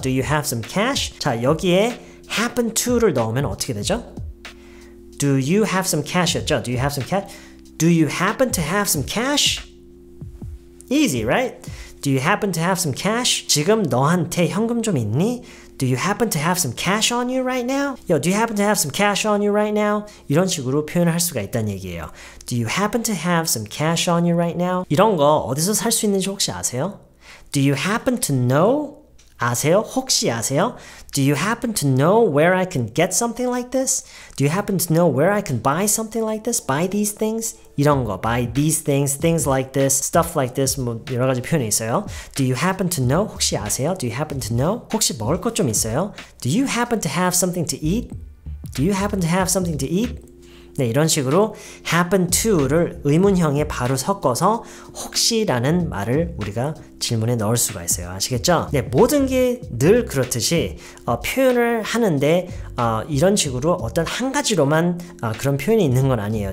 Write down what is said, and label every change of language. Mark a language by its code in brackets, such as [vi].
[en] Do you have some cash? [ko] 자, 여기에 happen to를 넣으면 어떻게 되죠? [en] Do you have some cash였죠? Do you have some cash? Do you happen to have some cash? Easy, right? Do you happen to have some cash? [ko] 지금 너한테 현금 좀 있니? [en] Do you happen to have some cash on you right now? Yo, do you happen to have some cash on you right now? [ko] 이런 식으로 표현을 할 수가 있다는 얘기예요. [en] Do you happen to have some cash on you right now? [ko] 이런 거 어디서 살 수 있는지 혹시 아세요? [en] Do you happen to know? [ko] 아세요? 혹시 아세요? [en] Do you happen to know where I can get something like this? Do you happen to know where I can buy something like this? Buy these things? [ko] 이런 거, [en] buy these things, things like this, stuff like this, [ko] 뭐 여러 가지 표현이 있어요. [en] Do you happen to know? [ko] 혹시 아세요? [en] Do you happen to know? [ko] 혹시 먹을 것 좀 있어요? [en] Do you happen to have something to eat? Do you happen to have something to eat? [ko] 네, 이런 식으로 happen to를 의문형에 바로 섞어서 혹시라는 말을 우리가 질문에 넣을 수가 있어요. 아시겠죠? 네, 모든 게 늘 그렇듯이 표현을 하는데 이런 식으로 어떤 한 가지로만 그런 표현이 있는 건 아니에요.